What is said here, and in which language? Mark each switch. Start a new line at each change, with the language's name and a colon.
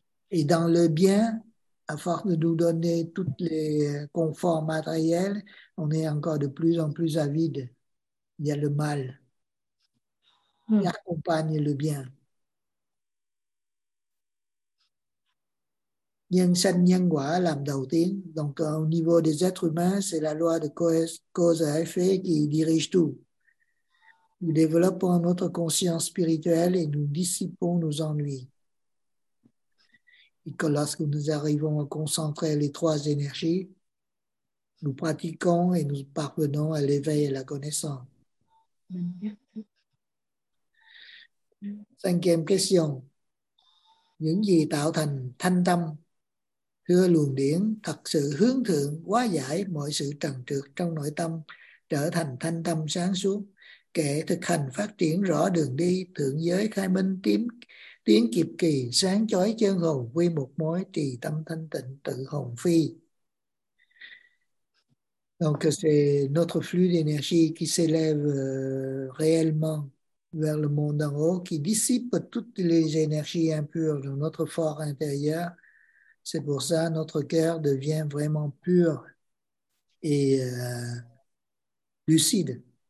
French: Et dans le bien, à force de nous donner tous les conforts matériels, on est encore de plus en plus avide. Il y a le mal qui accompagne le bien.
Vietnamese: Nhân sanh nhân quả làm đầu tiên.
French: Donc, au niveau des êtres humains, c'est la loi de cause à effet qui dirige tout. Nous développons notre conscience spirituelle et nous dissipons nos ennuis. Et que lorsque nous arrivons à concentrer les trois énergies, nous pratiquons et nous parvenons à l'éveil et la connaissance. Cinquième question.
Vietnamese: Những gì tạo thành thanh tâm? Thưa luồng điển, thật sự hướng thượng, hóa giải mọi sự trần trược trong nội tâm, trở thành thanh tâm sáng suốt. Kẻ thực hành phát triển rõ đường đi, thượng giới khai minh tiến kịp kỳ, sáng chói chân hồn, quy một mối, trì tâm thanh tịnh, tự hồn phi.
French: Donc, c'est notre flux d'énergie qui s'élève réellement vers le monde en haut, qui dissipe toutes les énergies impures de notre fort intérieur. C'est pour ça que notre cœur devient vraiment pur et lucide.